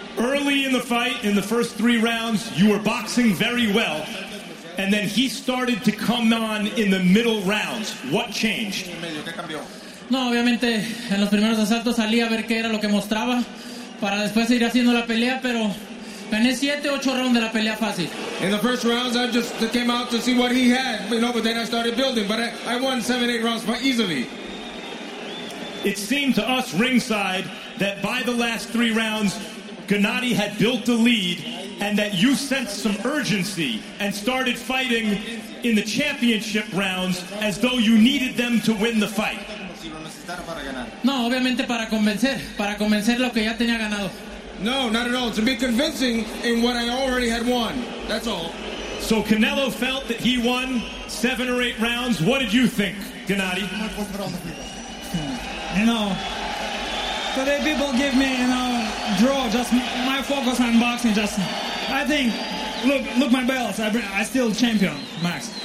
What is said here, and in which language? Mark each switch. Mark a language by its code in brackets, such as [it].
[en] Early in the fight, in the first three rounds, you were boxing very well. And then he started to come on in the middle rounds. What changed? [es] No, obviamente, en los primeros asaltos salí a ver qué era lo que mostraba para después seguir haciendo la pelea, pero gané 7-8 rounds de la pelea fácil. [en] In the first rounds, I just came out to see what he had, you know, but then I started building, but I won 7-8 rounds quite easily. It seemed to us ringside that by the last three rounds, Gennady had built the lead and that you sensed some urgency and started fighting in the championship rounds as though you needed them to win the fight. [es] No, obviamente para convencer lo que ya tenía ganado. [en] No, not at all. To be convincing in what I already had won. That's all. So Canelo felt that he won 7 or 8 rounds. What did you think, Gennady? No. So the people give me, you know, draw, just my focus on boxing, just, I think, look my belts, I still champion, Max.